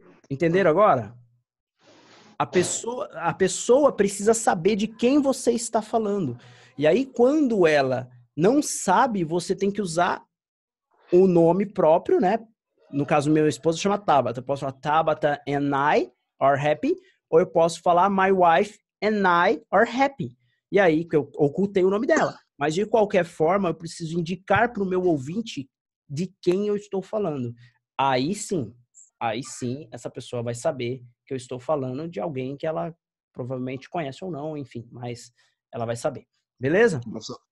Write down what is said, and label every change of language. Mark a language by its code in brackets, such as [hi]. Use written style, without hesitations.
[pt] Entenderam agora? A pessoa precisa saber de quem você está falando. E aí, quando ela não sabe, você tem que usar o nome próprio, né? No caso, minha esposa chama Tabata. Eu posso falar [en] Tabata and I are happy. [pt] Ou eu posso falar [en] my wife and I are happy. [pt] E aí, que eu ocultei o nome dela. Mas, de qualquer forma, eu preciso indicar para o meu ouvinte de quem eu estou falando. Aí sim, essa pessoa vai saber que eu estou falando de alguém que ela provavelmente conhece ou não, enfim. Mas ela vai saber. Beleza? Nossa.